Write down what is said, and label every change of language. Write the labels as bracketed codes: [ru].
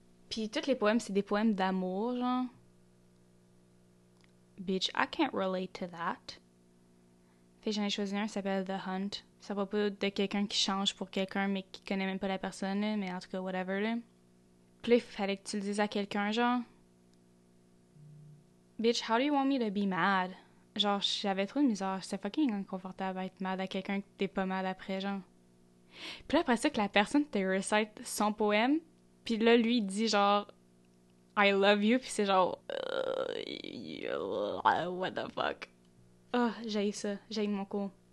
[fr] Puis tous les poèmes, c'est des poèmes d'amour, genre... [en] Bitch, I can't relate to that. [fr] Fait que j'en ai choisi un, ça s'appelle The Hunt. Ça va pas de quelqu'un qui change pour quelqu'un, mais qui connaît même pas la personne, mais en tout cas, whatever, là. Pis là, il fallait que tu le dises à quelqu'un, genre... [en] Bitch, how do you want me to be mad? [fr] Genre, j'avais trop de misère, c'est fucking inconfortable d'être mad à quelqu'un que t'es pas mad après, genre. Pis là, après ça, que la personne te recite son poème, pis là, lui, il dit, genre... [en] I love you, [fr] pis c'est genre... [en] what the fuck? Oh, [fr] j'haïs ça. J'haïs mon cours.